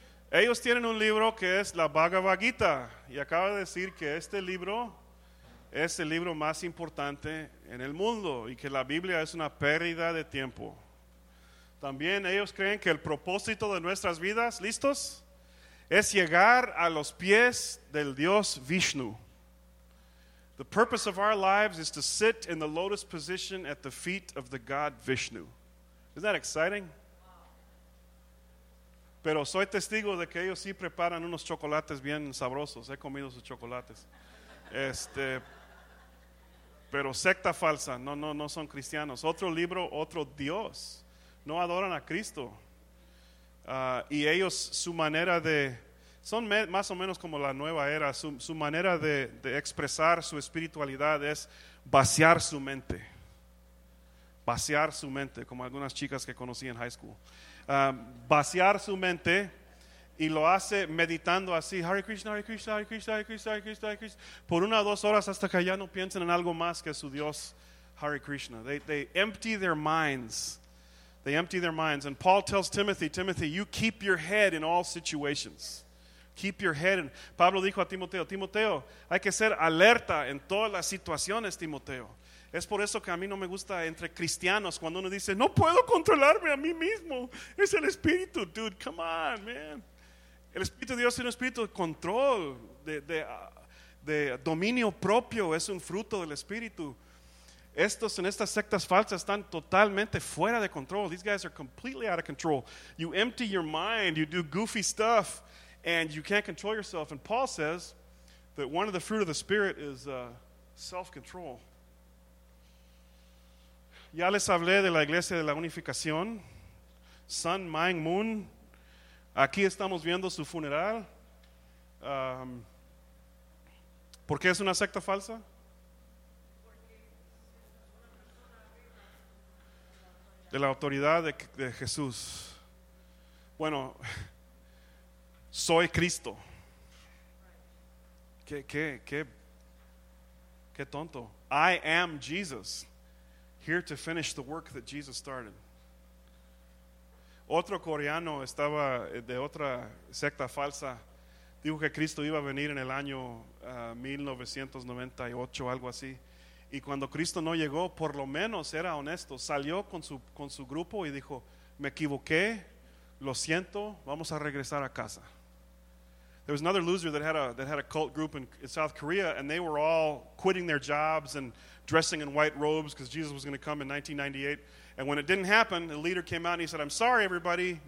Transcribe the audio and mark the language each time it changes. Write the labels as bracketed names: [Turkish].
[Spanish] Ellos tienen un libro que es la Bhagavad Gita. Y acaba de decir que este libro es el libro más importante en el mundo. Y que la Biblia es una pérdida de tiempo. También ellos creen que el propósito de nuestras vidas, ¿listos? Es llegar a los pies del Dios Vishnu. [English] The purpose of our lives is to sit in the lotus position at the feet of the God Vishnu. Isn't that exciting? [Spanish] Pero soy testigo de que ellos sí preparan unos chocolates bien sabrosos. He comido sus chocolates. Pero secta falsa. No son cristianos. Otro libro, otro Dios. No adoran a Cristo. Y ellos, su manera de... Son más o menos como la nueva era. Su manera de expresar su espiritualidad es vaciar su mente. Vaciar su mente, como algunas chicas que conocí en high school. Vaciar su mente y lo hace meditando así, Hare Krishna, Hare Krishna, Hare Krishna, Hare Krishna, Hare Krishna, Hare Krishna, por una o dos horas hasta que ya no piensen en algo más que su Dios, Hare Krishna. [English] They empty their minds. They empty their minds. And Paul tells Timothy, you keep your head in all situations. Keep your head in. [Spanish] Pablo dijo a Timoteo, hay que ser alerta en todas las situaciones, Timoteo. Es por eso que a mí no me gusta entre cristianos cuando uno dice, no puedo controlarme a mí mismo. Es el Espíritu, [English] dude, come on, man. [Spanish] El Espíritu de Dios es un espíritu de control, de dominio propio, es un fruto del Espíritu. Estos en estas sectas falsas están totalmente fuera de control. [English] These guys are completely out of control. You empty your mind, you do goofy stuff, and you can't control yourself. And Paul says that one of the fruit of the Spirit is self-control. [Spanish] Ya les hablé de la Iglesia de la Unificación, Sun, Mind, Moon. Aquí estamos viendo su funeral. ¿Por qué es una secta falsa? De la autoridad de Jesús. Bueno, soy Cristo. Qué tonto. [English] I am Jesus. Here to finish the work that Jesus started. [Spanish] Otro coreano estaba de otra secta falsa. Dijo que Cristo iba a venir en el año 1998, algo así. Y cuando Cristo no llegó, por lo menos era honesto. Salió con su grupo y dijo, me equivoqué, lo siento, vamos a regresar a casa. [English] There was another loser that had a cult group in South Korea, and they were all quitting their jobs and dressing in white robes because Jesus was going to come in 1998. And when it didn't happen, the leader came out and he said, I'm sorry, everybody.